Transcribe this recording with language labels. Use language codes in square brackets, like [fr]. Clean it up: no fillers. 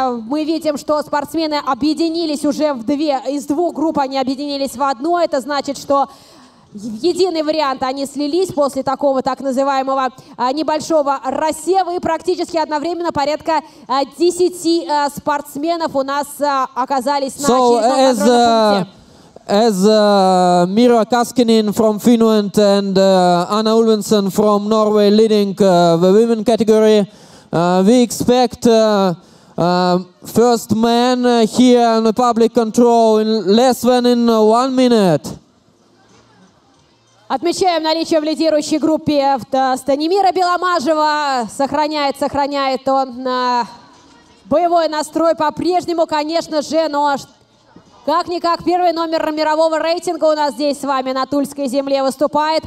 [ru] Мы видим, что спортсмены объединились уже в две. Из двух групп они объединились в одну. Это значит, что в единый вариант они слились после такого так называемого небольшого рассева, и практически одновременно порядка 10 спортсменов у нас оказались на очередном контрольном пункте. [en] As Mira Kaskinen from Finland and Anna Ulvensson from Norway leading the women category, we expect first man here on the public control in less than in 1 minute. [ru] Отмечаем наличие в лидирующей группе Станимира Беломажева. Сохраняет он боевой настрой по-прежнему, конечно же, но как-никак первый номер мирового рейтинга у нас здесь с вами на тульской земле выступает.